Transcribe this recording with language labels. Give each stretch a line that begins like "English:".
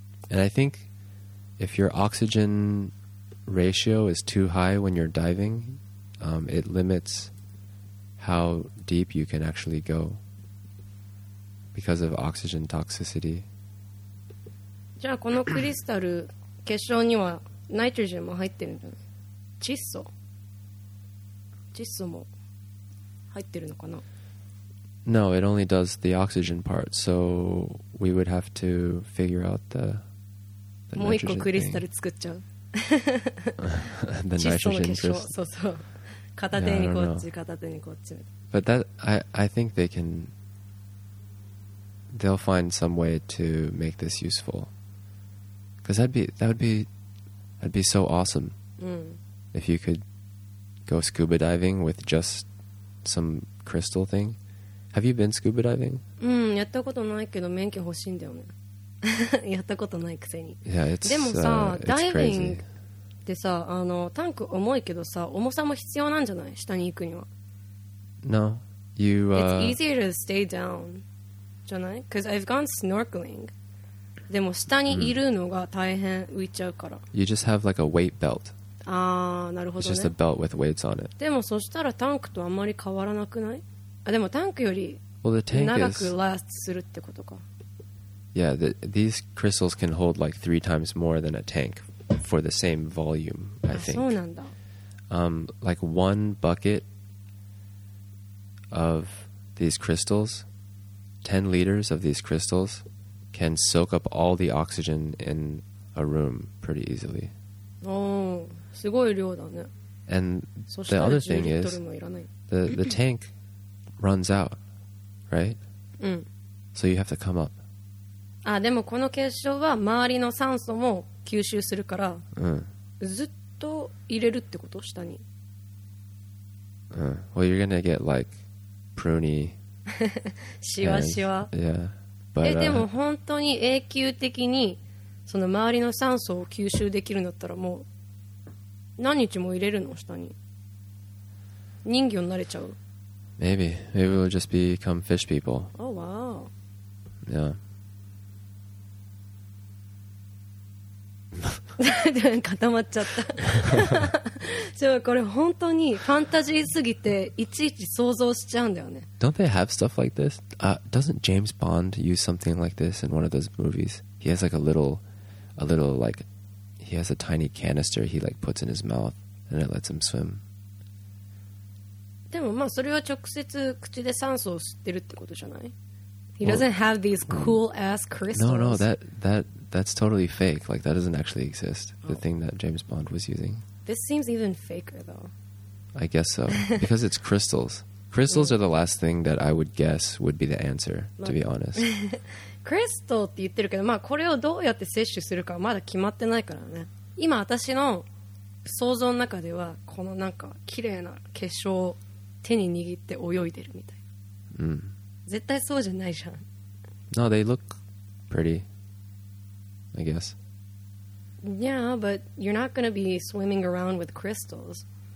English: And I think if your oxygen ratio is too high when you're diving, it limits how deep you can actually go because of oxygen toxicity.
Japanese: じゃあこのクリスタル結晶にはナイトロジンも入ってるんだね。窒素も入ってるのかな?
English: No, it only does the oxygen part, so we would have to figure out the nitrogen thing.
Japanese: もう一個クリスタル作っちゃう。
English: The nitrogen
Japanese: crystal. 窒素の結晶、そうそう。
English: But that I think they can. They'll find some way to make this useful. Because that'd be so awesome. If you could go scuba diving with just some crystal thing. Have you been scuba diving?
Japanese: やったことないけど免許欲しいんだよね。やったことないくせに。
English: Yeah, it's crazy.
Japanese: でもさ、ダイビング。でさ、あのタンク重いけどさ、重さも必要なんじゃない？下に行くには。
English: No, you. It's easier to stay down,
Japanese: じゃない？
English: Because I've gone snorkeling.
Japanese: でも下にいるのが大変、浮いちゃうから。
English: You just have like a weight belt.
Japanese: ああ、なるほどね。
English: It's just a belt with weights on it.
Japanese: でもそしたらタンクとあんまり変わらなくない？あ、でもタンクより長くラストするってことか。
English: Yeah, these crystals can hold like 3 times more than a tank. For the same volume, I think.
Japanese: そうなんだ。
English: Like one bucket of these crystals, 10 liters of these crystals can soak up all the oxygen in a room pretty easily.
Japanese: すごい量だね。
English: And the other thing is, the tank runs out, right? So you have to come up.
Japanese: あ、でもこの結晶は周りの酸素も吸収するから、ずっと入れるってこと下に。
English: Well, you're gonna get like pruny.
Japanese: シワシワ。
English: Yeah.
Japanese: But, でも本当に永久的にその周りの酸素を吸収できるんだったらもう何日も入れるの下に。人魚になれちゃう。
English: Maybe we'll just become fish people. Oh wow. Yeah.
Japanese: 固まっちゃった。そう、これ本当にファンタジーすぎていちいち想像しちゃうんだよね。
English: Don't they have stuff like this? Doesn't James Bond use something like this in one of those movies? He has like a little like he has a tiny canister he like puts in his mouth and it lets him swim.
Japanese: でもまあそれは直接口で酸素を吸ってるってことじゃない?
English: He doesn't have these cool ass crystals. No, that that's totally fake. Like, that doesn't actually exist, the thing that James Bond was using. This seems even faker, though. I guess so. Because it's crystals. Crystals are the last thing that I would guess would be the answer, to be honest.
Japanese: Crystal って言ってるけど、まあこれをどうやって摂取するかはまだ決まってないからね。今私の想像の中では、このなんか綺麗な結晶を手に握って泳いでるみたいな。うん。絶対そうじゃないじゃん。
English: No, they look pretty, I guess. Yeah, but you're not going to be swimming around with crystals.